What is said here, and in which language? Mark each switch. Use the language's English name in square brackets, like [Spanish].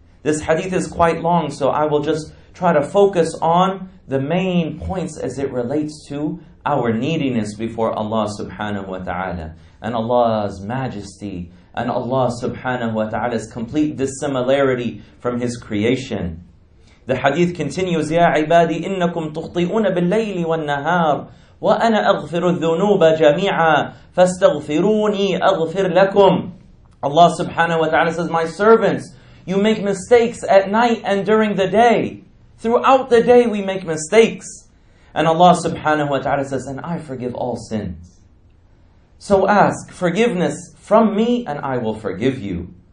[English] This hadith is quite long, so I will just try to focus on the main points as it relates to our neediness before Allah subhanahu wa ta'ala, and Allah's majesty, and Allah subhanahu wa ta'ala's complete dissimilarity from His creation. The hadith continues, [Arabic] يَا عِبَادِي إِنَّكُمْ تُخْطِئُونَ بِاللَّيْلِ وَالنَّهَارِ وَأَنَا أَغْفِرُ الذُّنُوبَ جَمِيعًا فَاسْتَغْفِرُونِي أَغْفِرْ لَكُمْ. [English] Allah subhanahu wa ta'ala says, my servants, you make mistakes at night and during the day. Throughout the day we make mistakes. And Allah subhanahu wa ta'ala says, and I forgive all sins. So ask forgiveness from me and I will forgive you.